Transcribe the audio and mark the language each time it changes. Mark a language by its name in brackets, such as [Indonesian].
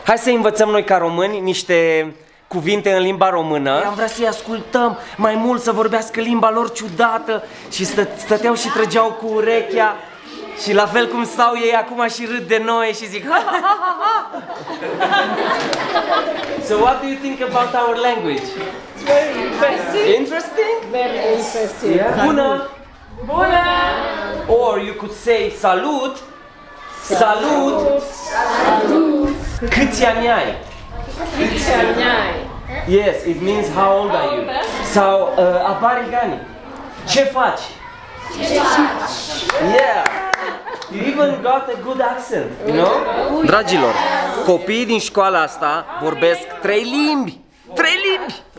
[Romanian] Hai să învățăm noi ca români niște cuvinte în limba română. Am vrea să-i ascultăm mai mult, să vorbească limba lor ciudată. Și stăteau și trăgeau cu urechea. Și la fel cum stau ei acum și râd de noi și zic ha, ha, ha, ha. [English] So what do you think about our language? It's very interesting. Interesting? Very interesting, yeah. [Romanian] Bună! Bună! [English] Or you could say [Romanian] salut. Salut! Salut! Câți ani ai? [English] Yes, it means how old are you? [Romanian] Sau, aparigani. Ce faci? Ce faci? [English] Yeah! You even got a good accent, you know? [Romanian] Dragilor, copiii din școala asta vorbesc trei limbi! Trei limbi!